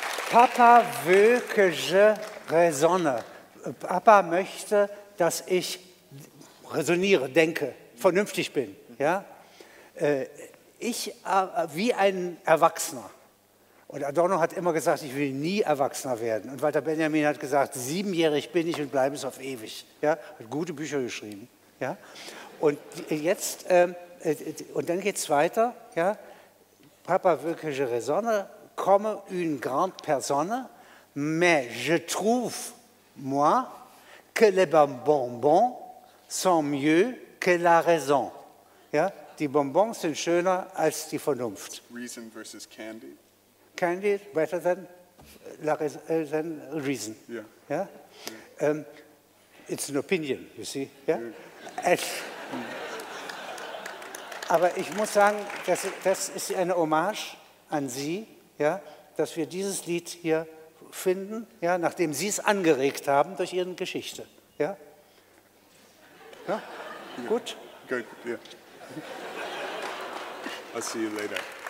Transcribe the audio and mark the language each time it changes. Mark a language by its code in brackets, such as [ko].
[fr] Papa will, que je raisonne. [de] Papa möchte, dass ich resoniere, denke, vernünftig bin. Ja? Ich wie ein Erwachsener. Und Adorno hat immer gesagt, ich will nie Erwachsener werden. Und Walter Benjamin hat gesagt, 7-jährig bin ich und bleibe es auf ewig. Ja? Hat gute Bücher geschrieben. Ja? Und jetzt, und dann geht es weiter. Ja? [fr] Papa will, que je raisonne. Comme une grande personne, mais je trouve, moi, que les bonbons sont mieux que la raison. [de] Ja? Die Bonbons sind schöner als die Vernunft. [en] Reason versus candy. Candy better than, than reason. Yeah. Yeah? Yeah. It's an opinion, you see. Yeah? Yeah. [de] Aber ich muss sagen, das ist eine Hommage an Sie. Ja, dass wir dieses Lied hier finden, ja, nachdem Sie es angeregt haben durch Ihre Geschichte. Ja? Ja? [en] Yeah. [de] Gut? [en] Good, yeah. I'll see you later.